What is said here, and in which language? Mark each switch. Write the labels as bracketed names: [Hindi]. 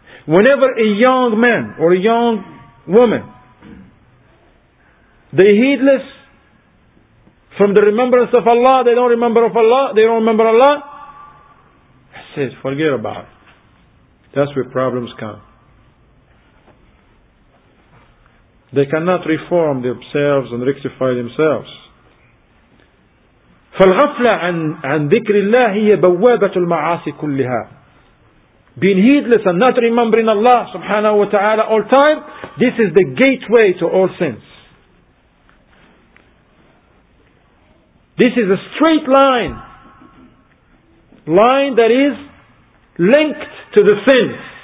[English] Whenever a young man or a young woman, they heedless from the remembrance of Allah, they don't remember of Allah, they don't remember Allah, I said, forget about it. That's where problems come. They cannot reform themselves and rectify themselves. [Arabic] فالغفلة عن ذكر الله هي بوابة المعاصي كلها. [English] Being heedless and not remembering Allah subhanahu wa ta'ala all time, this is the gateway to all sins. This is a straight line. Line that is linked to the sins.